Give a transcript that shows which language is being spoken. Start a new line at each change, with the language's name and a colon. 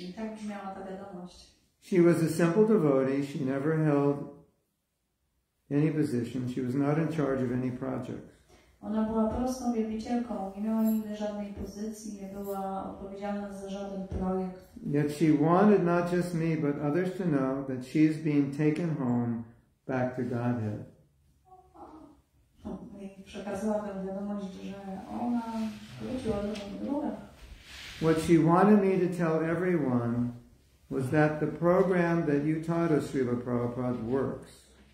Polish: I tak brzmiała ta wiadomość.
English: She was a simple devotee, she never held any position, she was not in charge of any project.
Polish: Ona była prostą wielbicielką, nie miała nigdy żadnej pozycji, nie była odpowiedzialna za żaden projekt.
English: Yet she wanted not just me, but others to know that she is being taken home back to Godhead.
Polish: Przekazała tę wiadomość, że ona wróciła do domu.
English: What she wanted me to tell everyone was that the program that you taught us, Srila Prabhupada, works.